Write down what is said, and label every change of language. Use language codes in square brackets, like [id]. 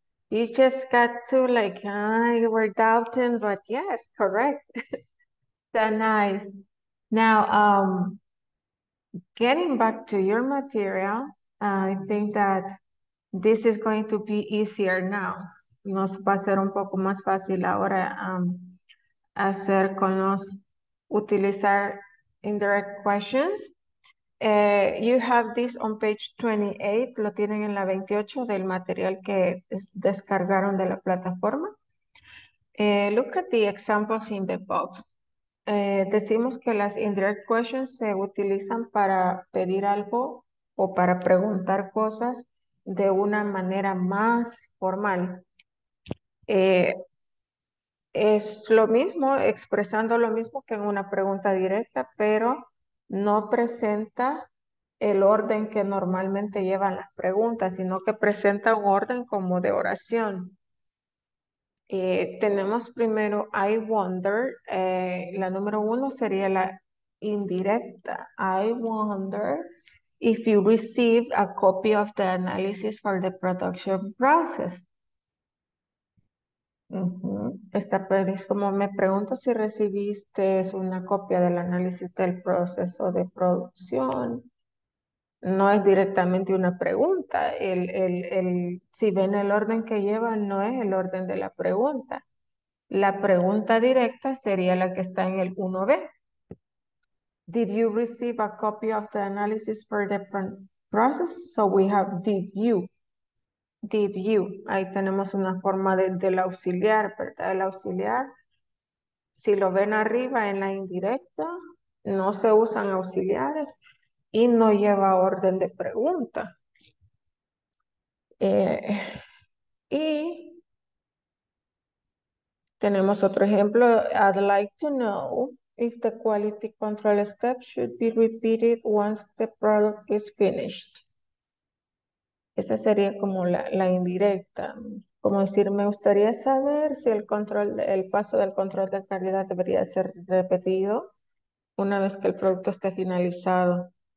[en] You just got to like, you were doubting, but yes, correct. So nice. Now, getting back to your material, I think that this is going to be easier now. [es] Nos va a ser un poco más fácil ahora hacer con los utilizar indirect questions. You have this on page 28. Lo tienen en la 28 del material que descargaron de la plataforma. Look at the examples in the box. Decimos que las indirect questions se utilizan para pedir algo o para preguntar cosas de una manera más formal. Es lo mismo, expresando lo mismo que en una pregunta directa, pero no presenta el orden que normalmente llevan las preguntas, sino que presenta un orden como de oración. Tenemos primero, I wonder, la número uno sería la indirecta. [en] I wonder if you received a copy of the analysis for the production process. [es] Esta pues, es como me pregunto si recibiste una copia del análisis del proceso de producción. No es directamente una pregunta. Si ven el orden que lleva, no es el orden de la pregunta. La pregunta directa sería la que está en el 1B. [en] Did you receive a copy of the analysis for the process? So we have did you. Did you? [es] Ahí tenemos una forma del auxiliar, ¿verdad? El auxiliar, si lo ven arriba en la indirecta, no se usan auxiliares y no lleva orden de pregunta. Y tenemos otro ejemplo. [en] I'd like to know if the quality control step should be repeated once the product is finished. [es] Esa sería como la indirecta, como decir, me gustaría saber si el paso del control de calidad debería ser repetido una vez que el producto esté finalizado.